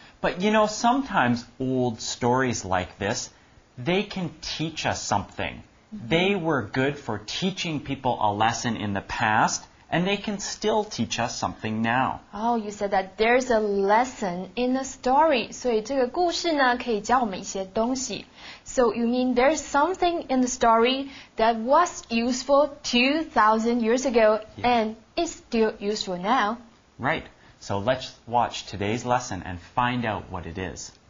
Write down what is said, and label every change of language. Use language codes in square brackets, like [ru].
[en] But, you know, sometimes old stories like this, they can teach us something. They were good for teaching people a lesson in the past, and they can still teach us something now. Oh, you said that there's a lesson in the story. [zh] 所以这个故事呢可以教我们一些东西。 [en] So you mean there's something in the story that was useful 2,000 years ago, and is still useful now. Right. So let's watch today's lesson and find out what it is.